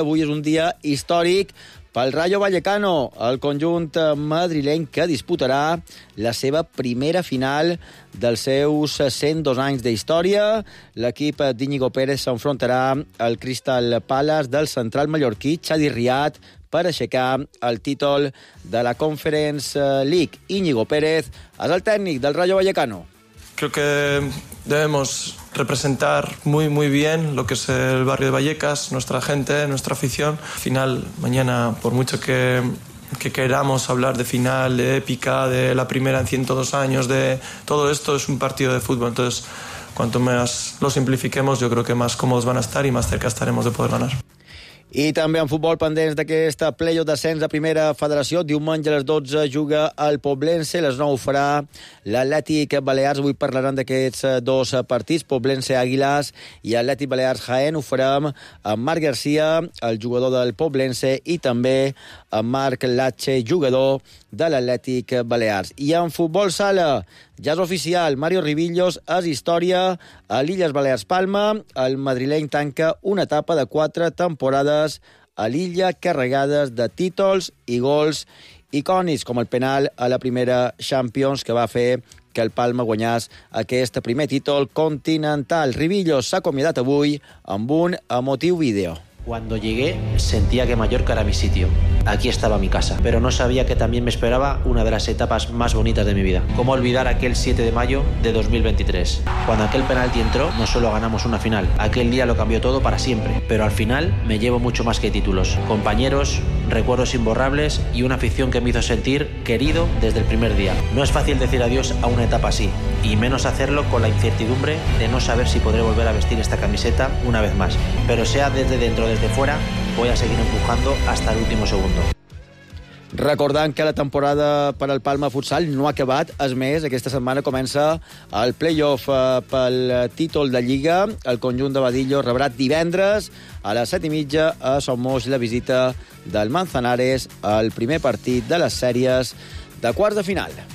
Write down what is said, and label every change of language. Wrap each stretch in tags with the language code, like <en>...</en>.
<ca>Avui és un dia històric pel Rayo Vallecano, el conjunt madrileny que disputarà la seva primera final dels seus 102 anys d'història. L'equip d'Íñigo Pérez s'enfrontarà al Crystal Palace del central mallorquí Xavi Riad per aixecar el títol de la Conference League. Íñigo Pérez és el tècnic del Rayo Vallecano.</ca> <es>Creo que debemos representar muy, muy bien lo que es el barrio de Vallecas, nuestra gente, nuestra afición. Al final, mañana, por mucho que queramos hablar de final, de épica, de la primera en 102 años, de todo esto, es un partido de fútbol. Entonces, cuanto más lo simplifiquemos, yo creo que más cómodos van a estar y más cerca estaremos de poder ganar.</es> <ca>I també en futbol, pendents d'aquesta play-off d'ascens a Primera Federació, diumenge a les 12 juga el Poblense, les 9 ho farà l'Atlètic Balears. Avui parlaran d'aquests dos partits, Poblense-Àguilas i Atlètic Balears-Jaén. Ho farem amb Marc García, el jugador del Poblense, i també amb Marc Latxe, jugador de l'Atlètic Balears. I en futbol sala, ja és oficial, Mario Rivillos és història a l'Illes Balears Palma. El madrileny tanca una etapa de 4 temporades a l'illa, carregades de títols i gols icònics, com el penal a la primera Champions que va fer que el Palma guanyés aquest primer títol continental. Rivillos s'ha acomiadat avui amb un emotiu vídeo.</ca> <es>Cuando llegué, sentía que Mallorca era mi sitio. Aquí estaba mi casa. Pero no sabía que también me esperaba una de las etapas más bonitas de mi vida. ¿Cómo olvidar aquel 7 de mayo de 2023? Cuando aquel penalti entró, no solo ganamos una final. Aquel día lo cambió todo para siempre. Pero al final, me llevo mucho más que títulos. Compañeros, recuerdos imborrables y una afición que me hizo sentir querido desde el primer día. No es fácil decir adiós a una etapa así. Y menos hacerlo con la incertidumbre de no saber si podré volver a vestir esta camiseta una vez más. Pero sea desde dentro desde fuera, voy a seguir empujando hasta el último segundo.</es> <ca>Recordant que la temporada per al Palma Futsal no ha acabat, és més, aquesta setmana comença el play-off pel títol de Lliga. El conjunt de Vadillo rebrà divendres a les 7:30 a Somoix la visita del Manzanares al primer partit de les sèries de quarts de final.</ca>